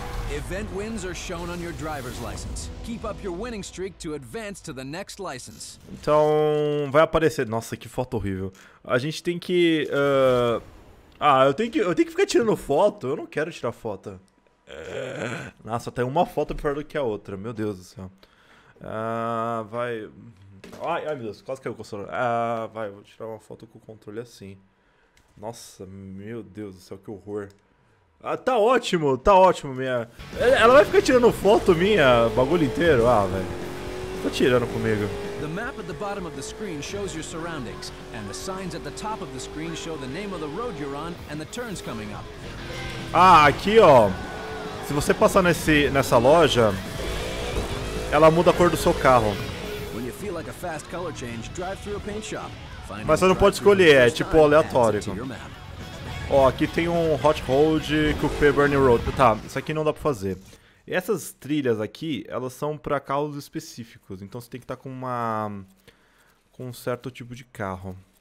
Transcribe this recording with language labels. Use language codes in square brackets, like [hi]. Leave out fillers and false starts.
[en] Event wins are shown on your driver's license. Keep up your winning streak to advance to the next license. [pt] Então, vai aparecer. Nossa, que foto horrível. A gente tem que eu tenho que ficar tirando foto. Eu não quero tirar foto. Nossa, tem uma foto pior do que a outra. Meu Deus do céu. Vai. Ai, meu Deus, quase caiu o controle. Vai, vou tirar uma foto com o controle assim. Nossa, meu Deus do céu, que horror. Ah, tá ótimo, minha. Ela vai ficar tirando foto minha, bagulho inteiro? Ah, velho. Tô tirando comigo. [en] The map at the bottom of the screen shows your surroundings, and the signs at the top of the screen show the name of the road you're on and the turns coming up. [pt] Ah, aqui ó. Se você passar nessa loja, ela muda a cor do seu carro. [en] When you feel like a fast color change, drive through a paint shop. [pt] Mas você não pode escolher, é tipo aleatório. Ó, aqui tem um Hot Hold Coupé Burning Road. Tá, isso aqui não dá pra fazer. E essas trilhas aqui, elas são pra carros específicos. Então você tem que estar com uma... com um certo tipo de carro.